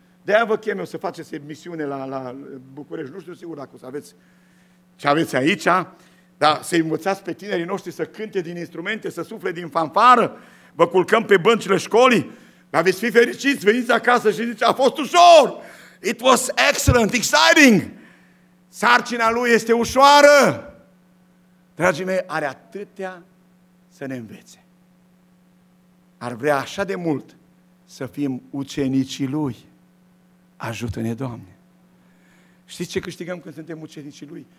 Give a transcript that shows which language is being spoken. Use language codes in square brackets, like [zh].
[ro] De-aia vă chem eu să faceți misiune la București. Nu știu sigur dacă o să aveți ce aveți aici, dar să învățați pe tinerii noștri să cânte din instrumente, să sufle din fanfară. Vă culcăm pe băncile școlii. Dar veți fi fericiți, veniți acasă și ziceți, a fost ușor! [en] It was excellent, exciting! [ro] Sarcina lui este ușoară! Dragii mei, are atâtea să ne învețe. Ar vrea așa de mult să fim ucenicii lui. Ajută-ne, Doamne! Știți ce câștigăm când suntem ucenicii lui?